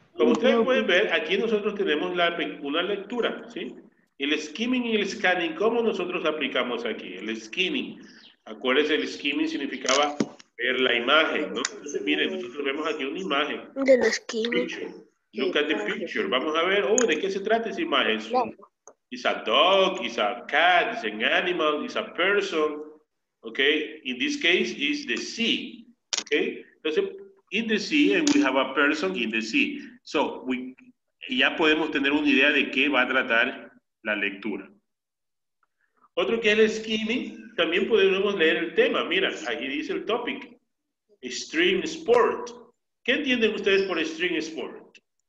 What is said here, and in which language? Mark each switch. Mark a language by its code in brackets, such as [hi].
[es] Como ustedes pueden ver, aquí nosotros tenemos una lectura, ¿sí? El skimming y el scanning, ¿cómo nosotros aplicamos aquí? El skimming. Acuérdense, el skimming significaba ver la imagen, ¿no? Entonces, miren, nosotros vemos aquí una imagen. Del skimming. [en] Picture. Look at the picture. [es] Vamos a ver, ¿de qué se trata esa imagen? No. [en] It's a dog, it's a cat, it's an animal, it's a person. Ok, in this case, it's the sea. Ok, entonces, in the sea, and we have a person in the sea. [es] So, ya podemos tener una idea de qué va a tratar la lectura. Otro que es el skimming, también podemos leer el tema. Mira, aquí dice el topic. Extreme sport. ¿Qué entienden ustedes por extreme sport?